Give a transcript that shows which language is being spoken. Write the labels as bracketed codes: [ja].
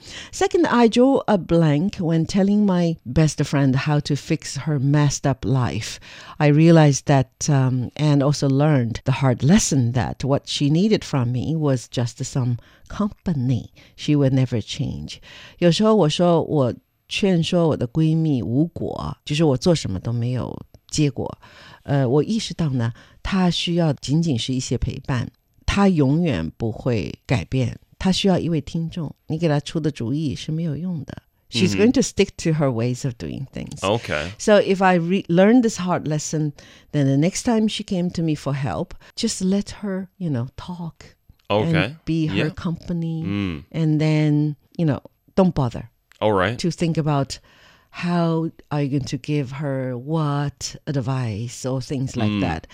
[en] Second, I draw a blank when telling my best friend how to fix her messed up life. I realized that and also learned the hard lesson that what she needed from me was just some company. She would never change. [zh] 有时候我说我劝说我的闺蜜无果，就是我做什么都没有结果。我意识到呢，她需要仅仅是一些陪伴，她永远不会改变。她需要一位听众，你给她出的主意是没有用的。 [en] She's mm-hmm. going to stick to her ways of doing things. Okay. So if I learned this hard lesson, then the next time she came to me for help, just let her, you know, talk. Okay. And be her company. Mm. And then, you know, don't bother. All right. To think about how are you going to give her what advice or things like that.